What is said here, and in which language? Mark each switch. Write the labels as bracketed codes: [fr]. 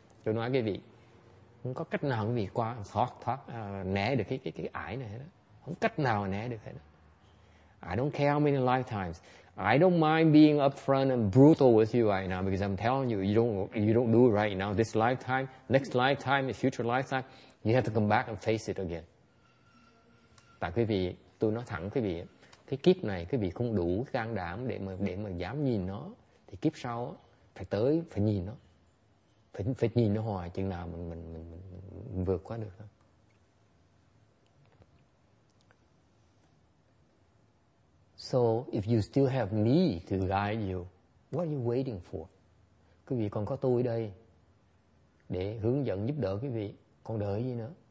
[vi] Tôi nói quý vị, không có cách nào quý vị qua thoát né được cái ải này hết. Không cách nào né được hết. [en] I don't care how many lifetimes. I don't mind being upfront and brutal with you right now because I'm telling you, you don't do it right now. This lifetime, next lifetime, future lifetime, you have to come back and face it again. [vi] Tại quý vị, tôi nói thẳng quý vị, cái kiếp này quý vị không đủ can đảm để mà dám nhìn nó, thì kiếp sau phải tới, phải nhìn nó. Phải nhìn nó hoài chừng nào mình vượt qua được. [en] So if you still have me to guide you, what are you waiting for? [vi] Quý vị còn có tôi đây để hướng dẫn giúp đỡ quý vị, còn đợi gì nữa?